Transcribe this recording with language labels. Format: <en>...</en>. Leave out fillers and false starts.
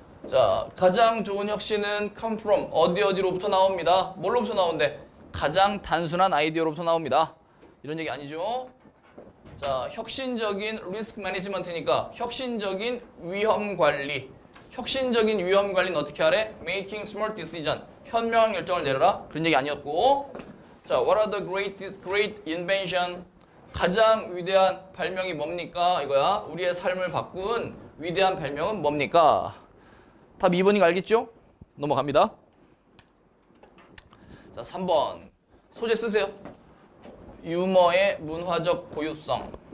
<ko>자, 가장 좋은 혁신은</ko> <en>come from,</en> <ko>어디어디로부터 나옵니다. 뭘로부터 나온대? 가장 단순한 아이디어로부터 나옵니다. 이런 얘기 아니죠? 자, 혁신적인 risk management니까 혁신적인 위험 관리. 혁신적인 위험 관리는 어떻게 하래?</ko> <en>making smart decision.</en> <ko>현명한 결정을 내려라. 그런 얘기 아니었고.</ko> <en>자, what are the great invention?</en> <ko>가장 위대한 발명이 뭡니까? 이거야. 우리의 삶을 바꾼 위대한 발명은 뭡니까? 답 2번인가 알겠죠? 넘어갑니다. 자, 3번. 소재 쓰세요. 유머의 문화적 고유성.</ko>